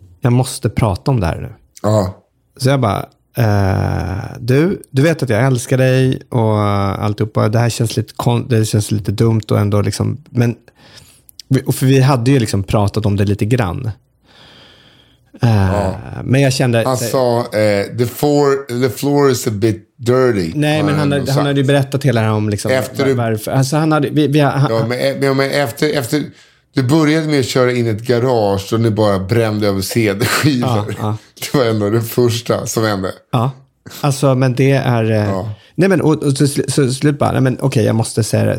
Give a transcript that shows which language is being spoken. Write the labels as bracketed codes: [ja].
[sv] Jag måste prata om det här nu. Ja. Så jag bara, du vet att jag älskar dig och alltihopa. Det här känns lite dumt och ändå liksom, men för vi hade ju liksom pratat om det lite grann. Ja. Men jag kände, han sa, [en] the floor is a bit dirty. [sv] Nej, men han hade ju berättat hela det här om liksom, efter varför. Alltså han hade, men efter du började med att köra in ett garage och ni bara brände över cd-skivor. Ja, ja. Det var ändå det första som hände. Ja, alltså men det är... Ja. Nej men, och slut bara, nej men okej, jag måste säga det.